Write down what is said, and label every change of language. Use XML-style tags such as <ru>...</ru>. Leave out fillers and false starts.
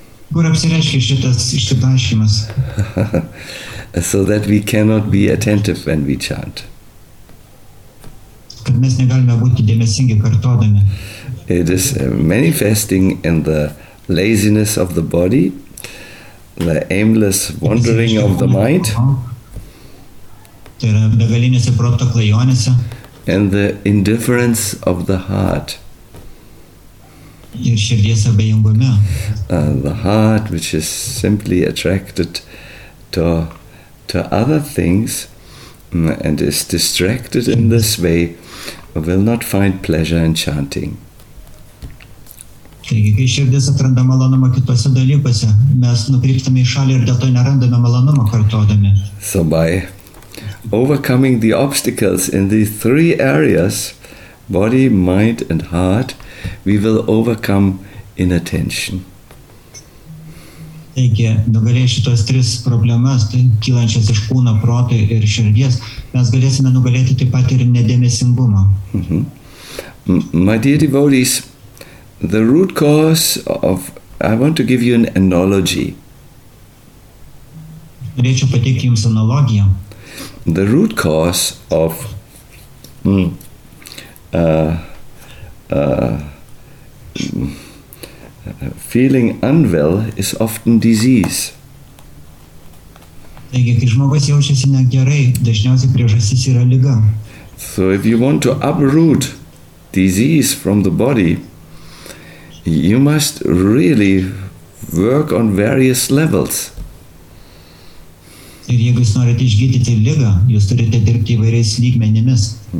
<en>So that we cannot be attentive when we chant. It is manifesting in the laziness of the body, the aimless wandering of the mind,</en> <lt>tai yra begalinėse proto klajonėse.</lt> <en>And the indifference of the heart.</en> <lt>Ir širdies abejingume.</lt> <en>The heart, which is simply attracted to other things and is distracted in this way, will not find pleasure in chanting.</en> <lt>Taigi, kai širdis atranda malonumą kitose dalykose, mes nukryptame į šalį ir dėl to nerandame malonumą kartuodami.</lt> <en>So by overcoming the obstacles in these three areas, body, mind, and heart, we will overcome inattention.</en> <lt>Taigi, nugalėję šitos tris problemas, kylančias iš kūno, proto ir širdies, mes galėsime nugalėti taip pat ir nedėmesingumą.</lt> <en>My dear devotees, the root cause of, I want to give you an analogy.</en> <lt>Norėčiau pateikti jums analogiją.</lt> <en>The root cause of feeling unwell is often disease.</en> <lt>Taigi, kai žmogus jaučiasi negerai, dažniausiai priežastis yra liga.</lt> <en>So if you want to uproot disease from the body, you must really work on various levels.</en> <lt>Ir jeigu jūs norite išgydyti ligą, jūs turite dirbti įvairiais lygmenimis.</lt>